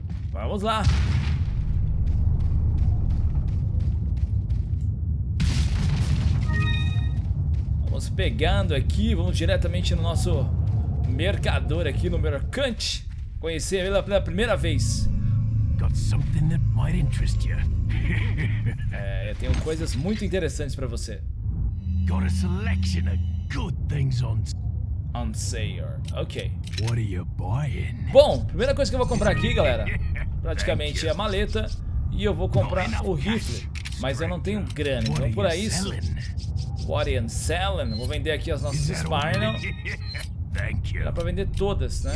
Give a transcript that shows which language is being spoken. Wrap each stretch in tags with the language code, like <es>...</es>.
<pt>Vamos lá. Vamos pegando aqui, vamos diretamente no nosso mercador aqui, no mercante. Conhecer ele pela primeira vez.</pt> <en>Something that might interest you.</en> <pt>Eu tenho coisas muito interessantes para você.</pt> <en>Got a selection of good things on sale. Okay. What are you buying?</en> <pt>Bom, primeira coisa que eu vou comprar aqui, galera, praticamente é a maleta e eu vou comprar o rifle, mas eu não tenho grana, então por isso.</pt> <en>What are you selling?</en> <pt>Vou vender aqui as nossas Spinal.</pt> <en>Thank you.</en> <pt>Dá para vender todas, né?</pt>